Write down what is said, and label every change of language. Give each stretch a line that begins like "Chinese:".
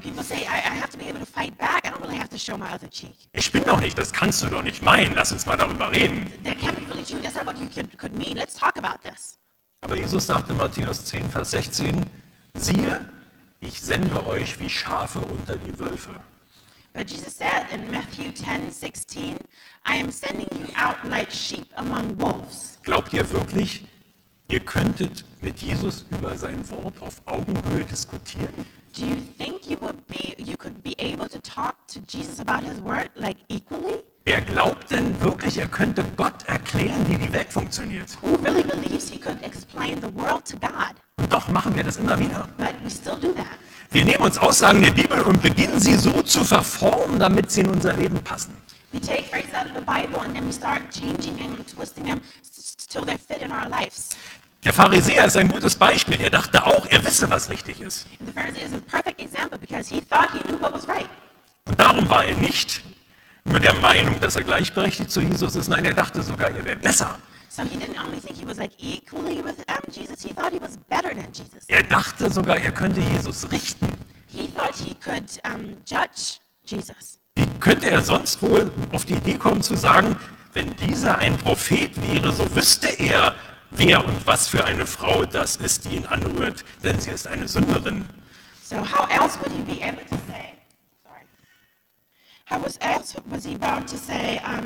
English: People say, I have to be able to fight back, I don't really have to show my other cheek.
German: Ich bin doch nicht, das kannst du doch nicht meinen, lass uns mal darüber reden.
English: That can't be really true, that's not what you could mean, let's talk about this.
German: Aber Jesus sagte in Matthäus 10, Vers 16, siehe, ich sende euch wie Schafe unter die Wölfe.
English: But Jesus said in Matthew 10, 16, I am sending you out like sheep among wolves.
German: Glaubt ihr wirklich, ihr könntet mit Jesus über sein Wort auf Augenhöhe diskutieren?
English: Do you think you could be able to talk to Jesus about his word like equally?
German: Wer glaubt denn wirklich, er könnte Gott erklären, wie die Welt funktioniert?
English: Who really believes he could explain the world to God?
German: Und doch machen wir das immer wieder.
English: But we still do that.
German: Wir nehmen uns Aussagen der Bibel und beginnen sie so zu verformen, damit sie in unser Leben passen.
English: We take phrases out of the Bible and then we start changing and twisting them till they fit in our lives.
German: Der Pharisäer ist ein gutes Beispiel. Er dachte auch, er wisse, was richtig ist.
English: The Pharisee is a perfect example because he thought he knew what was right.
German: Und darum war er nicht mit der Meinung, dass er gleichberechtigt zu Jesus ist. Nein, er dachte sogar, er wäre besser.
English: So he didn't only think he was like equally with Jesus, he thought he was better than Jesus.
German: Er dachte sogar, er könnte Jesus richten.
English: He thought he could judge Jesus.
German: Wie könnte er sonst wohl auf die Idee kommen zu sagen, wenn dieser ein Prophet wäre, so wüsste er, wer und was für eine Frau das ist, die ihn anrührt, denn sie ist eine Sünderin.
English: So how else would he be able to say? How was else was he bound to say?